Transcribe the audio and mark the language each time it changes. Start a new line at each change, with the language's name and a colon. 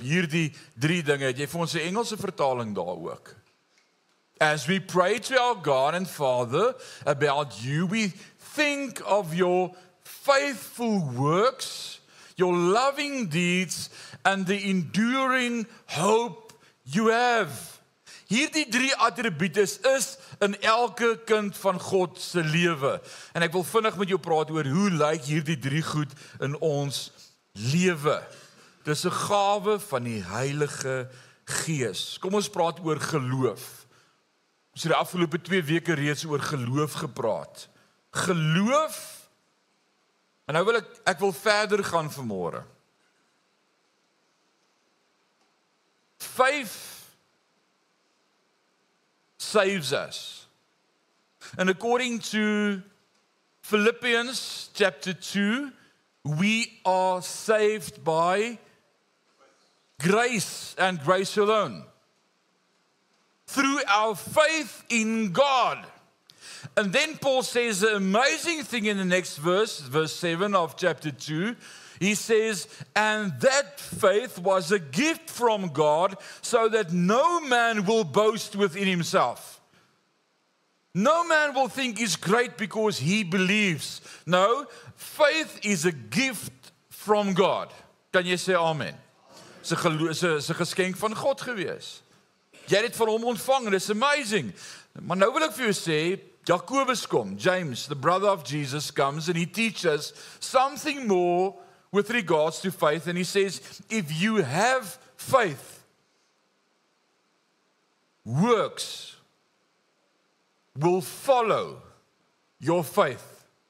Afrikaans: Hierdie drie dinge, het jy vir ons 'n Engelse vertaling daar ook?
English: As we pray to our God and Father about you, we think of your faithful works, your loving deeds, and the enduring hope you have.
Afrikaans: Hierdie drie attribute is in elke kind van God se lewe. En ek wil vinnig met jou praat oor hoe lyk hierdie drie goed in ons lewe. Dis 'n gawe van die Heilige Gees. Kom ons praat oor geloof. Ons het die afgelope 2 weke reeds oor geloof gepraat. Geloof, en nou wil ek wil verder gaan vanmôre.
English: 5 saves us. And according to Philippians chapter 2, we are saved by grace and grace alone. Through our faith in God. And then Paul says the amazing thing in the next verse, verse 7 of chapter 2. He says, and that faith was a gift from God so that no man will boast within himself. No man will think he's great because he believes. No, faith is a gift from God.
Afrikaans: Kan jy sê amen? Is 'n geskenk van God gewees. Jy het dit van hom ontvang,
English: it's amazing.
Afrikaans: Maar nou wil ek vir jou sê, Jakobus kom,
English: James, the brother of Jesus, comes and he teaches something more with regards to faith. And he says, if you have faith, works will follow your faith.